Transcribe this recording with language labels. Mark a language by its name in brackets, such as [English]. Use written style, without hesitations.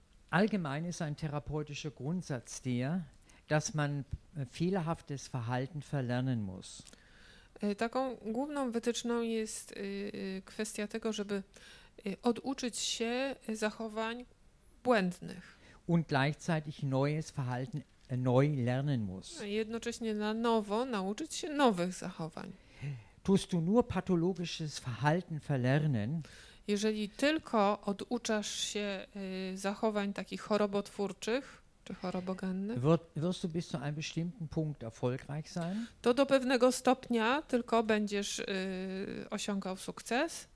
[German] Allgemein ist ein therapeutischer Grundsatz der, dass man fehlerhaftes Verhalten verlernen muss. [Polish] Taką główną wytyczną jest kwestia tego, żeby oduczyć się zachowań błędnych. [German] Und gleichzeitig neues Verhalten neu lernen muss. [Polish] Jednocześnie na nowo nauczyć się nowych zachowań. [German] Tust du nur pathologisches Verhalten verlernen? [Polish] Jeżeli tylko oduczasz się zachowań takich chorobotwórczych czy chorobogennych, [German] wirst du bis zu einem bestimmten Punkt erfolgreich sein? [Polish] To do pewnego stopnia tylko będziesz osiągał sukces.